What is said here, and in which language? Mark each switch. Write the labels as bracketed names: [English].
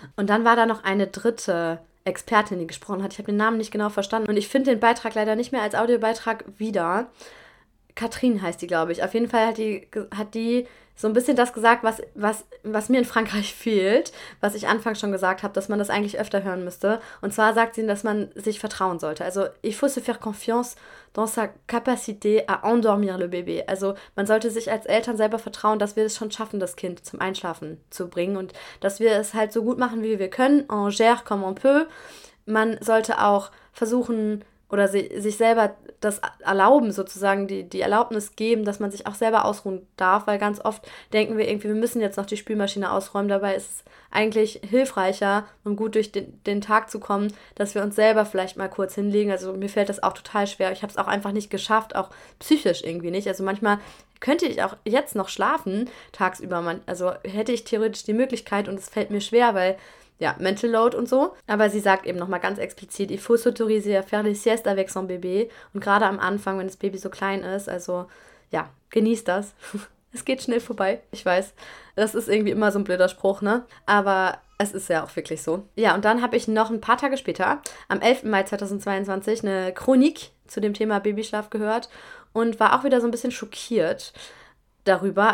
[German] Und dann war da noch eine dritte Expertin, die gesprochen hat. Ich habe den Namen nicht genau verstanden und ich finde den Beitrag leider nicht mehr als Audiobeitrag wieder. Katrin heißt die, glaube ich. Auf jeden Fall hat die so ein bisschen das gesagt, was mir in Frankreich fehlt, was ich anfangs schon gesagt habe, dass man das eigentlich öfter hören müsste. Und zwar sagt sie, dass man sich vertrauen sollte. [French] Also, il faut se faire confiance dans sa capacité à endormir le bébé. [German] Also, man sollte sich als Eltern selber vertrauen, dass wir es schon schaffen, das Kind zum Einschlafen zu bringen und dass wir es halt so gut machen, wie wir können. [French] On gère comme on peut. [German] Man sollte auch versuchen, oder sich selber das erlauben, sozusagen die Erlaubnis geben, dass man sich auch selber ausruhen darf, weil ganz oft denken wir irgendwie, wir müssen jetzt noch die Spülmaschine ausräumen. Dabei ist es eigentlich hilfreicher, um gut durch den Tag zu kommen, dass wir uns selber vielleicht mal kurz hinlegen. Also mir fällt das auch total schwer. Ich habe es auch einfach nicht geschafft, auch psychisch irgendwie nicht. Also manchmal könnte ich auch jetzt noch schlafen tagsüber. Also hätte ich theoretisch die Möglichkeit und es fällt mir schwer, weil ja, Mental Load und so. Aber sie sagt eben nochmal ganz explizit, [French] il faut s'autoriser à faire des siestes avec son bébé. [German] Und gerade am Anfang, wenn das Baby so klein ist, also ja, genießt das. Es geht schnell vorbei. Ich weiß, das ist irgendwie immer so ein blöder Spruch, ne? Aber es ist ja auch wirklich so. Ja, und dann habe ich noch ein paar Tage später, am 11. Mai 2022, eine Chronik zu dem Thema Babyschlaf gehört und war auch wieder so ein bisschen schockiert. darüber.